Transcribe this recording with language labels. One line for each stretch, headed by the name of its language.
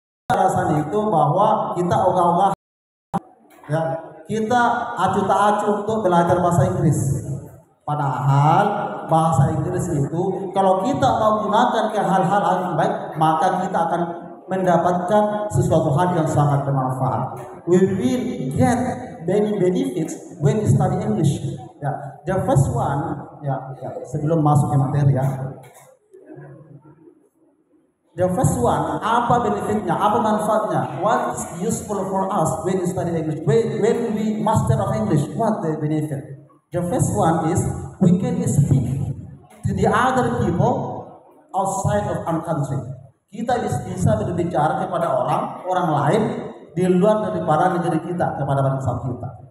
Indonesian: alasan itu bahwa kita ogah-ogah, ya, kita acuh tak acuh untuk belajar bahasa Inggris. Padahal bahasa Inggris itu kalau kita mau gunakan ke hal-hal yang baik, maka kita akan mendapatkan sesuatu hal yang sangat bermanfaat.
English: We will get many benefits when we study English.
Indonesian: Ya,
English: the first one,
Indonesian: ya, ya, sebelum masuk ke materi, ya.
English: The first one,
Indonesian: apa benefitnya, apa manfaatnya?
English: What's useful for us when we study English? When we master of English, what the benefit? The first one is we can speak to the other people outside of our country.
Indonesian: Kita bisa berbicara kepada orang lain di luar daripada negeri kita, kepada bangsa kita.